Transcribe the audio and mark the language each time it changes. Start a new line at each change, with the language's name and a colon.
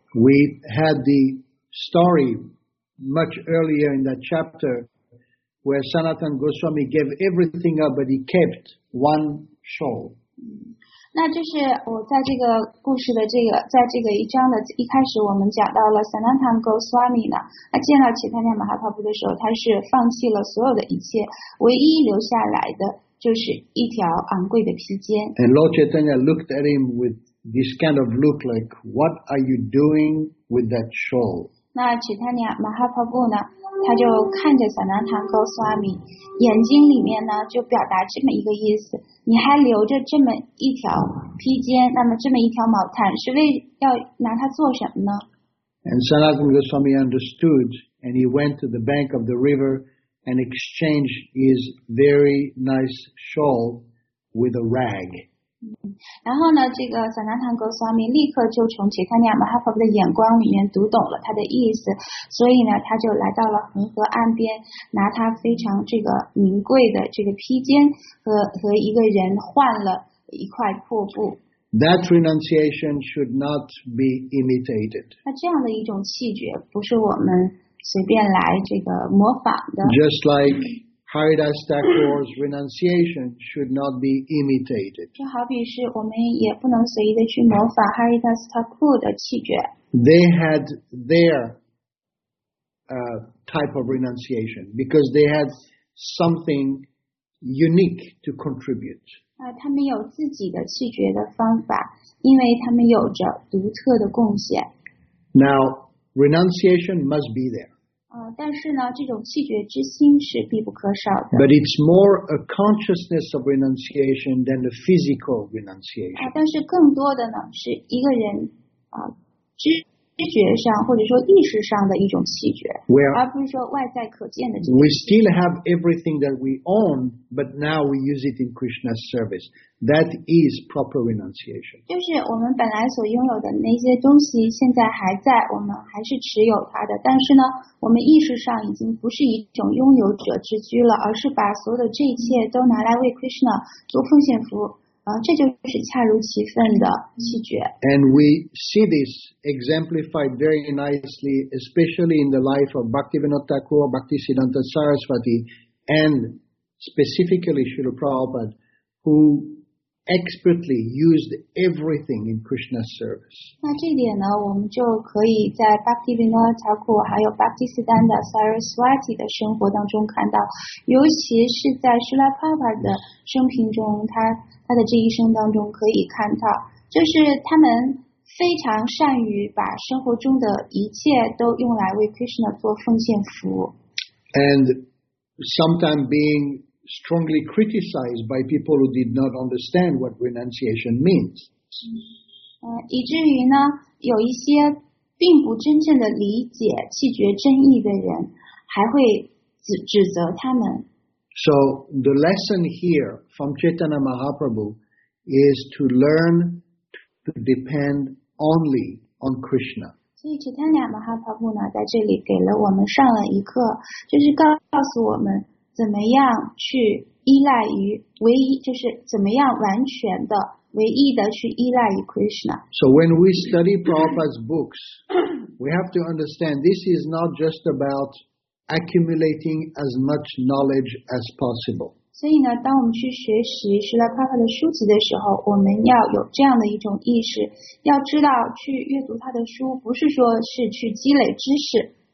English: We had the story much earlier in that chapter where Sanatan Goswami gave everything up, but he kept one soul.
Chinese: 那就是我在这个故事的这个，在这个一章的一开始，我们讲到了 Sanatan Goswami 呢，他见到其他那马哈帕布的时候，他是放弃了所有的一切，唯一留下来的就是一条昂贵的披肩。
English: And Lord Chaitanya looked at him with this kind of look, like, "What are you doing with that shawl?"
Chinese: 那其他那马哈帕布呢，他就看着 Sanatan Goswami， 眼睛里面呢就表达这么一个意思。你还留着这么一条披肩，那么这么一条毛毯是为要拿它做什么呢？
English: And Sanatan Goswami understood, and he went to the bank of the river and exchanged his very nice shawl with a rag.
Chinese: 然后呢，这个 Sanatan Goswami 立刻就从 Chaitanya Mahaprabhu 的眼光里面读懂了他的意思，所以呢，他就来到了恒河岸边，拿他非常这个名贵的这个披肩和一个人换了一块破布。
English: That renunciation should not be imitated.
Chinese: 那这样的一种气绝不是我们随便来这个模仿的。
English: Just like Haridas Thakur's renunciation should not be imitated.
Chinese: 就好比是我们也不能随意的去模仿 Haridas Thakur 的气绝。
English: They had their type of renunciation because they had something. Unique to contribute.
Chinese: 他们有自己的气绝的方法，因为他们有着独特的贡献。
English: Now, renunciation must be there.
Chinese: 但是呢，这种弃绝之心是必不可少的。
English: But it's more a consciousness of renunciation than a physical renunciation.
Chinese: 但是更多的呢，是一个人知觉上或者说意识上的一种弃绝，
English: Where,
Chinese: 而不是说外在可见的这种。
English: We still have everything that we own, but now we use it in Krishna's service. That is proper renunciation.
Chinese: 就是我们本来所拥有的那些东西，现在还在，我们还是持有它的。但是呢，我们意识上已经不是一种拥有者之居了，而是把所有的这一切都拿来为 Krishna 做奉献服务。这就是恰如其分的弃绝。
English: And we see this exemplified very nicely, especially in the life of Bhaktivinoda Thakur, Bhaktisiddhanta Saraswati, and specifically Srila Prabhupada, who expertly used everything in Krishna's service.
Chinese: 那这点呢，我们就可以在 Bhaktivinoda Thakur 还有 Bhaktisiddhanta Saraswati 的生活当中看到，尤其是在 Srila Prabhupada 的生平中，他的这一生当中可以看到，就是他们非常善于把生活中的一切都用来为 Krishna 做奉献服务。
English: And sometimes being strongly criticized by people who did not understand what renunciation means.
Chinese: 以至于呢，有一些并不真正的理解弃绝真意的人，还会指责他们。
English: So the lesson here from Chaitanya Mahaprabhu is to learn to depend only on Krishna.
Chinese: 所以 Chaitanya Mahaprabhu 呢，在这里给了我们上了一课，就是告诉我们怎么样去依赖于唯一，就是怎么样完全的、唯一的去依赖于 Krishna.
English: So when we study Prabhupada's books, we have to understand this is not just about accumulating as much knowledge as possible.
Chinese: 所以呢，当我们去学习释迦牟尼佛的书籍的时候，我们要有这样的一种意识，要知道去阅读他的书，不是说是去积累知识。